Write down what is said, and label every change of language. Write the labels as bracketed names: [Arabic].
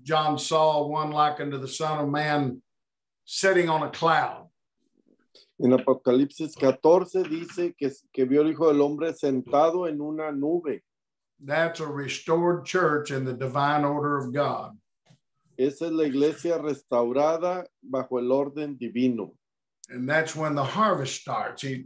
[English] John saw one likened to the Son of Man sitting on a cloud. [Spanish] En Apocalipsis 14 dice que vio el Hijo del Hombre sentado en una nube. [English] That's a restored church in the divine order of God. [Spanish] Esa es la iglesia restaurada bajo el orden divino. [English] And that's when the harvest starts.